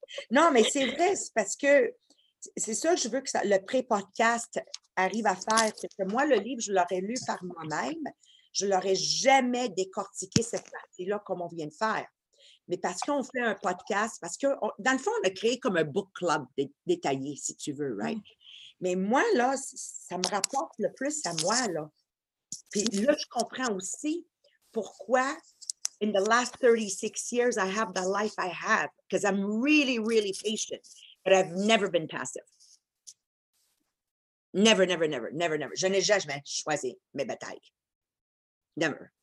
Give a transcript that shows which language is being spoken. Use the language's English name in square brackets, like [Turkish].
[French] Non, mais c'est vrai, c'est parce que c'est ça que je veux que ça, le pré-podcast arrive à faire, c'est que moi, le livre, je l'aurais lu par moi-même, je l'aurais jamais décortiqué cette partie-là comme on vient de faire. Mais parce qu'on fait un podcast, parce que dans le fond, on a créé comme un book club détaillé, si tu veux, right? Mm. Mais moi, là, ça me rapporte le plus à moi, là. Puis là, je comprends aussi pourquoi [English] in the last 36 years, I have the life I have, because I'm really, really patient, but I've never been passive. Never, never, never, never, never. [French] Je n'ai jamais choisi mes batailles. [English] Never.